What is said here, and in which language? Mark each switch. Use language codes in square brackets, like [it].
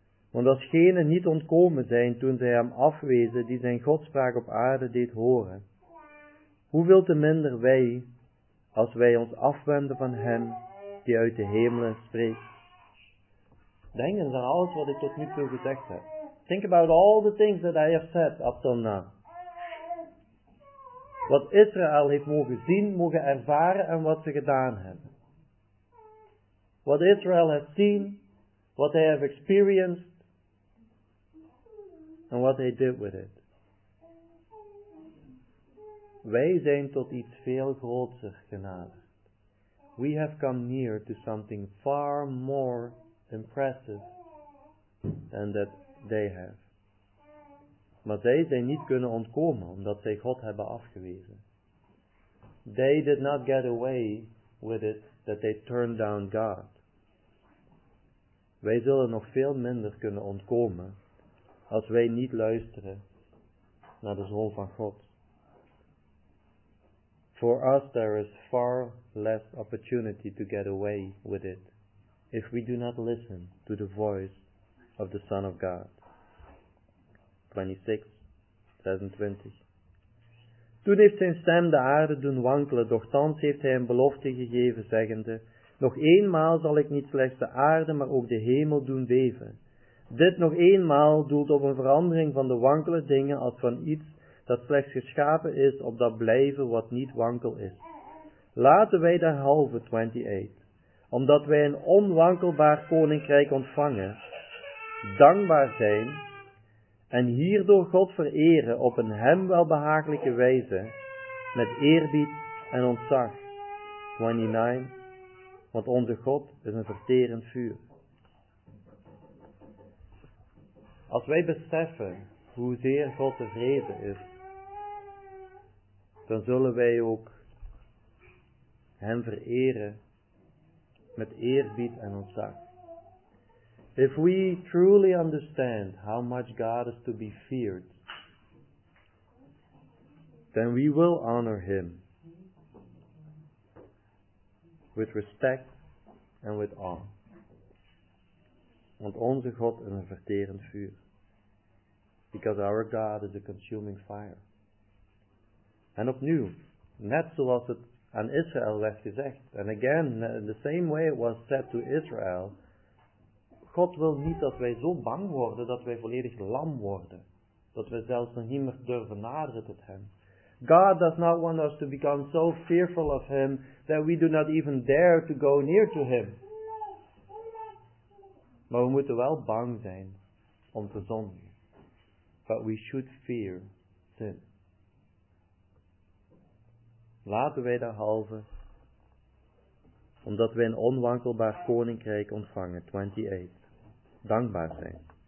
[nl] Want als genen niet ontkomen zijn toen zij hem afwezen die zijn godspraak op aarde deed horen, hoeveel te minder wij als wij ons afwenden van hem die uit de hemelen spreekt. Denk eens aan alles wat ik tot nu toe gezegd heb. [en] Think about all the things that I have said up till now. [nl] Wat Israël heeft mogen zien, mogen ervaren en wat ze gedaan hebben. [en] What Israel has seen, what they have experienced, and what they did with it. [nl] Wij zijn tot iets veel groter genaderd. [en] We have come near to something far more impressive than that they have. [nl] Maar zij zijn niet kunnen ontkomen omdat zij God hebben afgewezen. [en] They did not get away with it that they turned down God. [nl] Wij zullen nog veel minder kunnen ontkomen als wij niet luisteren naar de Zoon van God. [en] For us there is far less opportunity to get away with it if we do not listen to the voice of the Son of God. [nl] 26:26. Toen heeft zijn stem de aarde doen wankelen, dochtans heeft hij een belofte gegeven, zeggende, nog eenmaal zal ik niet slechts de aarde, maar ook de hemel doen beven. Dit nog eenmaal doelt op een verandering van de wankele dingen als van iets dat slechts geschapen is op dat blijven wat niet wankel is. Laten wij daar halve 28, omdat wij een onwankelbaar koninkrijk ontvangen, dankbaar zijn en hierdoor God vereren op een hem welbehagelijke wijze met eerbied en ontzag. 29, want onze God is een verterend vuur. Als wij beseffen hoezeer God tevreden is, dan zullen wij ook hem vereren met eerbied en ontzag. [en] If we truly understand how much God is to be feared, then we will honor him with respect and with awe. [nl] Want onze God is een verterend vuur. [en] Because our God is a consuming fire. [nl] En opnieuw, net zoals het aan Israël werd gezegd, [en] and again, in the same way it was said to Israel, [nl] God wil niet dat wij zo bang worden dat wij volledig lam worden. Dat wij zelfs nog niet meer durven naderen tot hem. [en] God does not want us to become so fearful of him that we do not even dare to go near to him. [nl] Maar we moeten wel bang zijn om te zondigen. [en] But we should fear sin. [nl] Laten wij daarhalve, omdat wij een onwankelbaar koninkrijk ontvangen, 28, dankbaar zijn.